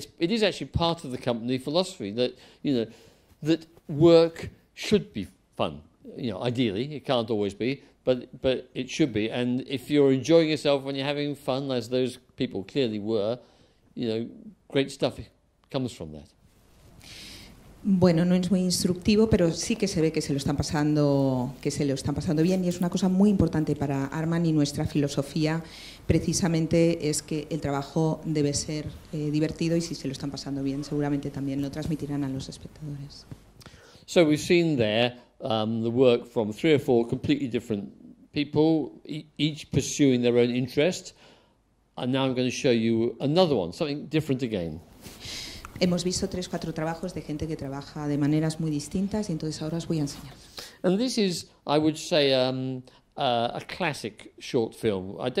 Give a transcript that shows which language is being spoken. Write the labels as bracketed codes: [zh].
[en] It is actually part of the company philosophy that that work should be fun. Ideally, it can't always be, but it should be. And if you're enjoying yourself when you're having fun, as those people clearly were, great stuff comes from that. [es] Bueno, no es muy instructivo, pero sí que se ve que se lo están pasando bien, y es una cosa muy importante para Aardman y nuestra filosofía, precisamente es que el trabajo debe ser divertido, y si se lo están pasando bien, seguramente también lo transmitirán a los espectadores. [en] So we've seen there the work from three or four completely different people, each pursuing their own interest, and now I'm going to show you another one, something different again. [es] Hemos visto tres, cuatro trabajos de gente que trabaja de maneras muy distintas, y entonces ahora os voy a enseñar. [en] And this is, I would say, a classic short film.